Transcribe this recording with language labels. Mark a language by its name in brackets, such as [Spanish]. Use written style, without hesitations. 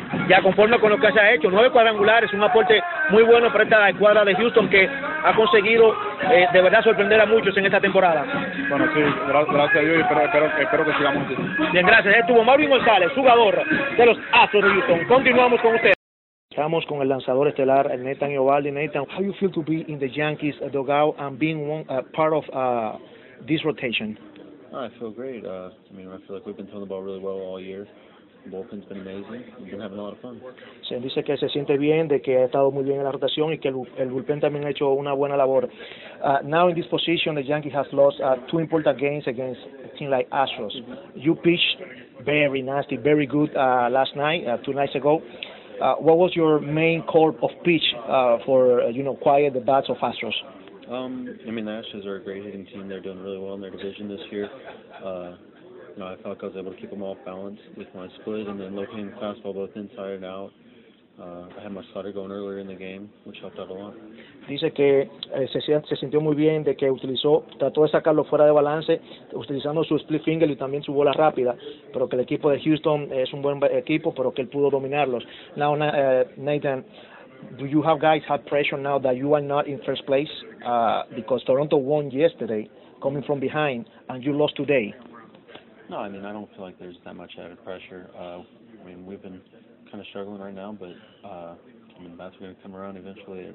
[Spanish] Ya conforme con lo que se ha hecho, 9 cuadrangulares, un aporte muy bueno para esta escuadra de Houston que ha conseguido de verdad sorprender a muchos en esta temporada. Bueno, sí, gracias a Dios y espero que sigamos así. Bien, gracias. Estuvo Marvin González, jugador de los Astros de Houston. Continuamos con usted. Estamos con el lanzador estelar, Nathan Giovaldi. [English] Nathan, how you feel to be in the Yankees dugout and being part of this rotation? I feel great. I feel like we've been throwing the ball really well all year. Bullpen's been amazing. We've been having a lot of fun. [Spanish] Se dice que se siente bien, de que ha estado muy bien en la rotación y que el bullpen también ha hecho una buena labor. [English] Now in this position, the Yankees has lost 2 important games against a team like Astros. You pitched very nasty, very good last night, 2 nights ago. What was your main core of pitch for quiet the bats of Astros? The Astros are a great hitting team. They're doing really well in their division this year. I felt like I was able to keep them off balance with my split and then locating the fastball both inside and out. I had my slider going earlier in the game, which helped out a lot. [Spanish] Dice que se sintió muy bien de que trató de sacarlo fuera de balance, utilizando su split finger y también su bola rápida, pero que el equipo de Houston es un buen equipo, pero que él pudo dominarlos. [English] Now, Nathan, do you guys have pressure now that you are not in first place? Because Toronto won yesterday, coming from behind, and you lost today. No, I don't feel like there's that much added pressure. We've been kind of struggling right now, but the bats are going to come around eventually.